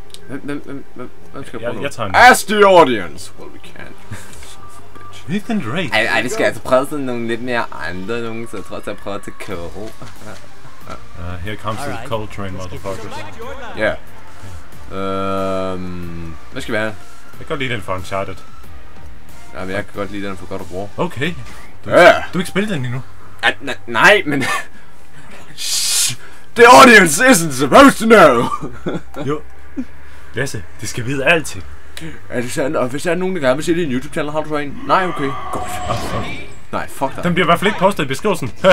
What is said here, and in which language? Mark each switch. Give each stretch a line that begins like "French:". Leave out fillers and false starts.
English: As the audience, well we can. Nathan Drake.
Danish: Ej, vi skal altså prøve sådan nogle lidt mere andre nogen, så jeg tror også, jeg prøver til KO.
English: Here comes the Coltrane, motherfuckers.
Danish: Ja. Hvad skal vi have? Jeg kan godt lide den for Uncharted. Ja, men jeg kan godt lide den for God of War. Okay. Ja. Yeah. Du har ikke spillet den endnu. Nej, men...
English: The audience isn't supposed to know!
Danish: Jo. Lasse, de skal vide altid. Er det sandt? Og hvis der er nogen, der gerne vil se din YouTube-channel, har du så en? Nej, okay. Godt. Nej, fuck dig. Den bliver i hvert fald ikke postet i beskrivelsen.